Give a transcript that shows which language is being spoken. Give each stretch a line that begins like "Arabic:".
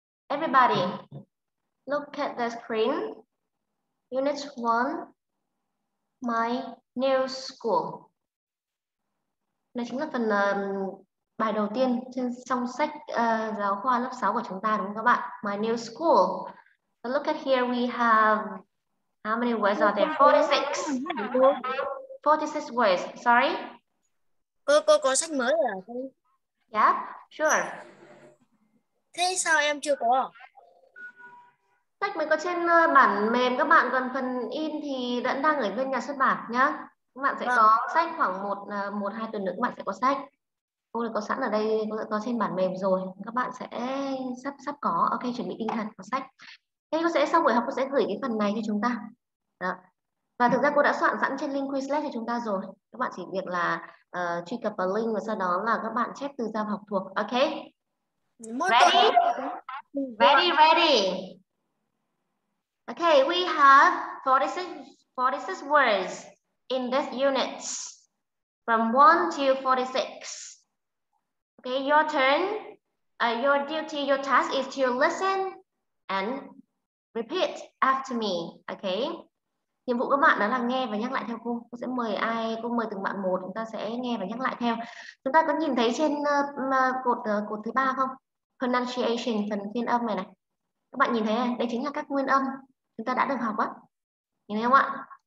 English: Everybody, look at the screen. Unit 1. My new school.
Vietnamese: Đây chính là phần bài đầu tiên trong sách giáo khoa lớp 6 của chúng ta, đúng không các bạn?
English: My new school. So look at here, we have how many words are there? 46. 46 words. Sorry.
Vietnamese: Cô có sách mới rồi à?
English: Yeah, sure.
Vietnamese: Thế sao em chưa có? Sách mới có trên bản mềm các bạn, còn phần in thì vẫn đang ở bên nhà xuất bản nhá. Các bạn sẽ có sách khoảng 1-2 tuần nữa các bạn sẽ có sách. Cô đã có sẵn ở đây, cô đã có trên bản mềm rồi. Các bạn sẽ sắp có, ok, chuẩn bị tinh thần có sách. Thế cô sẽ xong buổi học, cô sẽ gửi cái phần này cho chúng ta. Đó. Và thực ra cô đã soạn sẵn trên link Quizlet cho chúng ta rồi. Các bạn chỉ việc là truy cập vào link và sau đó là các bạn check từ giao học thuộc, ok?
English: Ready? Ready, ready. Okay, we have 46 words in this unit from 1 to 46. Ok, Okay, your turn. Your duty, your task is to listen and repeat after me. Okay.
Vietnamese: Nhiệm vụ các bạn đó là nghe và nhắc lại theo cô. Cô sẽ mời ai, cô mời từng bạn một, chúng ta sẽ nghe và nhắc lại theo. Chúng ta có nhìn thấy trên cột thứ ba không? Pronunciation, phần phiên âm này này. Các bạn nhìn thấy không? Đây chính là các nguyên âm chúng ta đã được học á. Nhìn thấy không ạ?